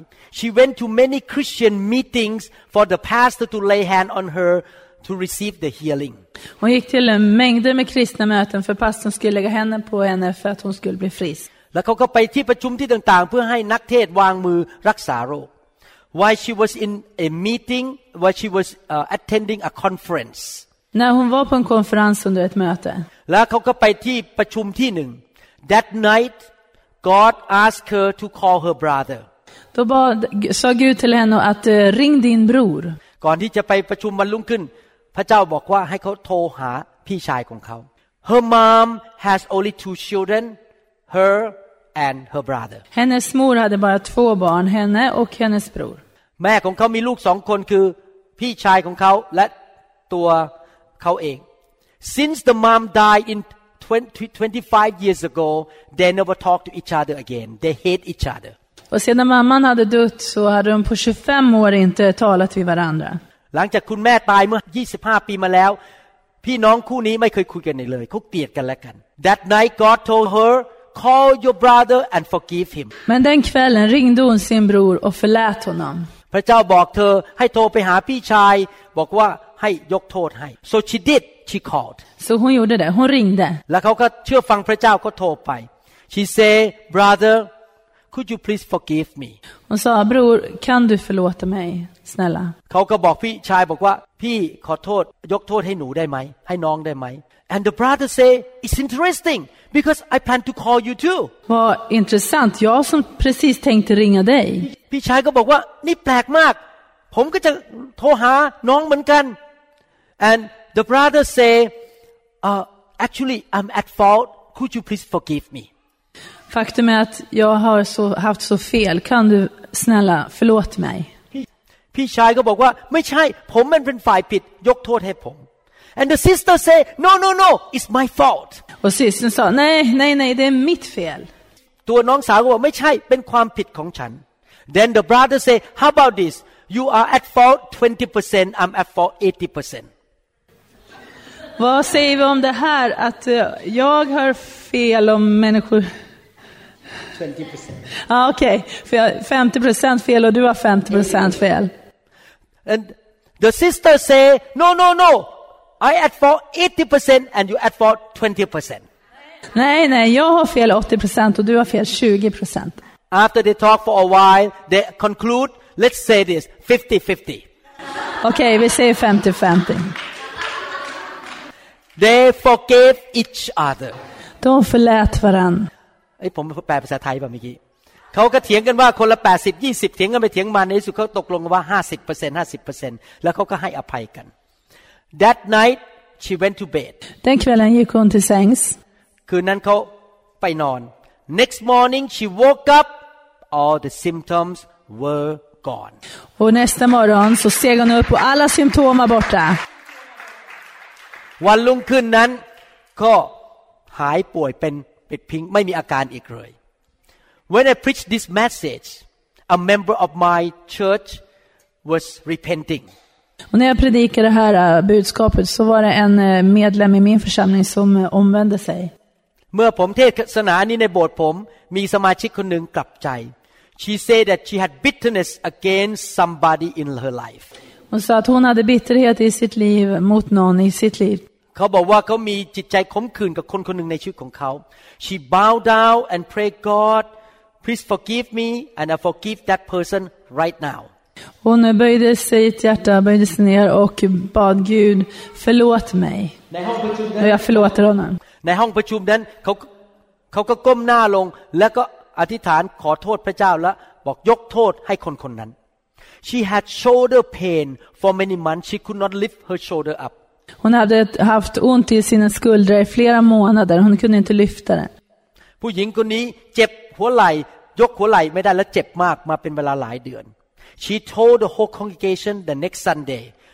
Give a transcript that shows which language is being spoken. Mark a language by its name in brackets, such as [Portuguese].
[English] She went to many Christian meetings for the pastor to lay hand on her to receive the healing. [Swedish] Hon gick till en mängd med kristna möten för pastorn skulle lägga händer på henne för att hon skulle bli frisk. [Thai] แล้วเขาก็ไปที่ประชุมที่ต่างๆเพื่อให้นักเทศวางมือรักษาโรค [English] While she was in a meeting, while she was attending a conference. [Swedish] När hon var på en konferens under ett möte. [Thai] แล้วเขาก็ไปที่ประชุมที่หนึ่ง [English] That night, God asked her to call her brother. [Swedish] Då sa Gud till henne att ring din bror. [Thai] ก่อนที่จะไปประชุมวันรุ่งขึ้นพระเจ้าบอกว่าให้เขาโทรหาพี่ชายของเขา [English] Her mom has only two children. Her and her brother. [Swedish] Hennes mor hade bara två barn, henne och hennes bror. [Thai] แม่ของเขามีลูกสองคนคือพี่ชายของเขาและตัวเขาเอง [English] Since the mom died in 25 years ago, they never talked to each other again. They hate each other. [Swedish] Och sedan mamman hade dött så hade de på 25 år inte talat till varandra. [Thai] หลังจากคุณแม่ตายเมื่อ25ปีมาแล้วพี่น้องคู่นี้ไม่เคยคุยกันเลยเขาเกลียดกันและกัน [English] That night, God told her. Call your brother and forgive him. [Swedish] Men den kvällen ringde hon sin bror och förlät honom. [Thai] พระเจ้าบอกเธอให้โทรไปหาพี่ชายบอกว่าให้ยกโทษให้ [English] So she did. She called. [Swedish] So hon gjorde det. Hon ringde. [Thai] แล้วเขาก็เชื่อฟังพระเจ้าก็โทรไป [English] She say, brother, could you please forgive me? [Swedish] Hon sa, bror, kan du förlåta mig, snälla? [Thai] เขาก็บอกพี่ชายบอกว่าพี่ขอโทษยกโทษให้หนูได้ไหมให้น้องได้ไหม [English] And the brother say, "It's interesting because I plan to call you too." [Swedish] Vad intressant. Jag som precis tänkte ringa dig. [Thai] พี่ชายก็บอกว่านี่แปลกมากผมก็จะโทรหาน้องเหมือนกัน [English] And the brother say, "Actually, I'm at fault. Could you please forgive me?" [Swedish] Faktum är att jag har haft så fel. Kan du snälla förlåt mig? [Thai] พี่ชายก็บอกว่าไม่ใช่ผมมันเป็นฝ่ายผิดยกโทษให้ผม [English] And the sister say, "No, no, no, it's my fault." [Swedish] Och systern sa, "Nej, nej, nej, det är mitt fel." [Thai] ตัวน้องสาวก็บอกไม่ใช่เป็นความผิดของฉัน [English] Then the brother say, "How about this? You are at fault 20%, I'm at fault 80%." [Swedish] Vad säger vi om det här att jag har fel om människor 20%. Ah, okay. 50% fel och du har 50% fel. [English] And the sister say, "No, no, no. I at fault 80% and you at fault 20%." [Swedish] Nej, nej, jag har fel 80% och du har fel 20%. [English] After they talk for a while, they conclude, let's say this, 50-50. Okay, we say 50-50. They forgave each other. [Swedish] De förlät varann. [Thai] ไอ้ผมแปลภาษาไทยป่ะเมื่อกี้เขาก็เถียงกันว่าคนละ80-20เถียงกันไปเถียงมาในที่สุดเขาตกลงกันว่า 50%-50% แล้วเขาก็ให้อภัยกัน [English] That night she went to bed. [Swedish] Den kvällen gick hon till sängs. [Thai] คืนนั้นเขาไปนอน [English] Next morning she woke up all the symptoms were gone. [Swedish] Och nästa morgon så steg hon upp och alla symptom var borta. [Thai] วันรุ่งขึ้นนั้นก็หายป่วยเป็นพิงไม่มีอาการอีกเลย [English] When I preached this message, a member of my church was repenting. [Swedish] Och när jag predikade det här budskapet så var det en medlem i min församling som omvände sig. [Thai] เมื่อผมเทศนานี้ในโบสถ์ผมมีสมาชิกคนหนึ่งกลับใจ [English] She said that she had bitterness against somebody in her life. [Swedish] Hon sa att hon hade bitterhet i sitt liv mot någon i sitt liv. [Thai] เขาบอกว่าเขามีจิตใจขมขื่นกับคนคนหนึ่งในชีวิตของเขา [English] She bowed down and prayed, "God, please forgive me and I forgive that person right now." [Swedish] Hon böjde sitt hjärta, böjde sig ner och bad Gud, "Förlåt mig." Och jag förlåter honom. [Thai] ในห้องประชุมนั้นเขาก็ก้มหน้าลงแล้วก็อธิษฐานขอโทษพระเจ้าแล้วบอกยกโทษให้คนคนนั้น [English] She had shoulder pain for many months. She could not lift her shoulder up. [Swedish] Hon hade haft ont i sina skuldrar i flera månader. Hon kunde inte lyfta den. [Thai] ผู้หญิงคนนี้เจ็บหัวไหล่ยกหัวไหล่ไม่ได้แล้วเจ็บมากมาเป็นเวลาหลายเดือน [English] She told the whole congregation the next Sunday.